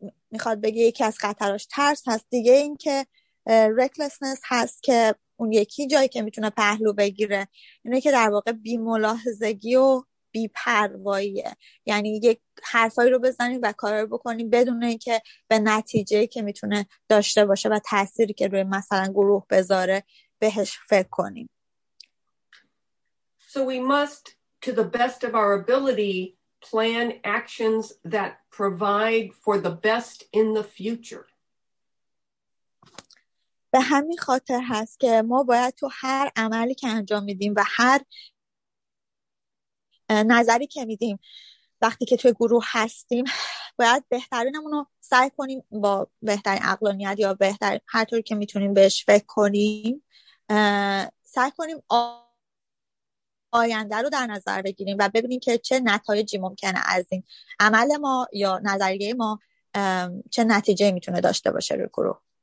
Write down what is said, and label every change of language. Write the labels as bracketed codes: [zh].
[fa] میخواد بگه یکی از خطراش ترس هست، دیگه این که recklessness هست که اون یکی جایی که میتونه پهلو بگیره، اینه که در واقع بی ملاحظگی و بی پرواییه. یعنی یک حرفایی رو بزنیم و کار رو بکنیم بدون اینکه به نتیجه که میتونه داشته باشه و تأثیری که روی مثلا گروه بذاره بهش فکر کنیم. [en] So we must, to the best of our ability, plan actions that provide for the best in the future. [fa] به همین خاطر هست که ما باید تو هر عملی که انجام میدیم و هر نظری که میدیم وقتی که توی گروه هستیم، باید بهترینمون رو سعی کنیم با بهترین عقلانیت یا بهترین هر طوری که میتونیم بهش فکر کنیم، سعی کنیم آینده رو در نظر بگیریم و ببینیم که چه نتایجی ممکنه از این عمل ما یا نظریه ما چه نتیجه میتونه داشته باشه روی گروه.